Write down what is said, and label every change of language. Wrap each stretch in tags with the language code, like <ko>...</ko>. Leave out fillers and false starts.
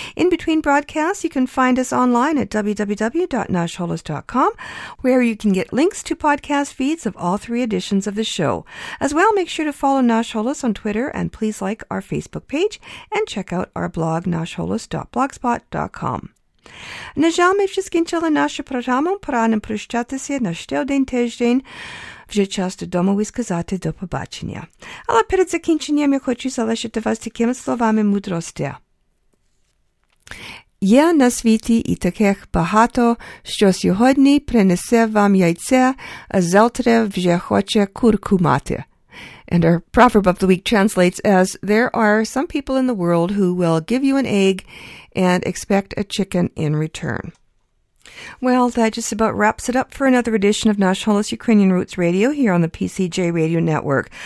<en>In between broadcasts, you can find us online at www.nasholas.com, where you can get links to podcast feeds of all three editions of the show. As well, make sure to follow Nasholas on Twitter, and please like our Facebook page and check out our blog, nasholas.blogspot.com.</en> <uk>Нажами всіскін чоло наше програму, пора нам прощатися на ще один тиждень. Вже час додому і сказати до побачення. Але перед закінченням я хочу залишити вас такими словами мудрості. Є на світі і таких багато, що сьогодні принесе вам яйце, а завтра вже хоче курку мати.</uk> <en>And our proverb of the week translates as, there are some people in the world who will give you an egg and expect a chicken in return. Well, that just about wraps it up for another edition of Nasholas Ukrainian Roots Radio here on the PCJ Radio Network.</en>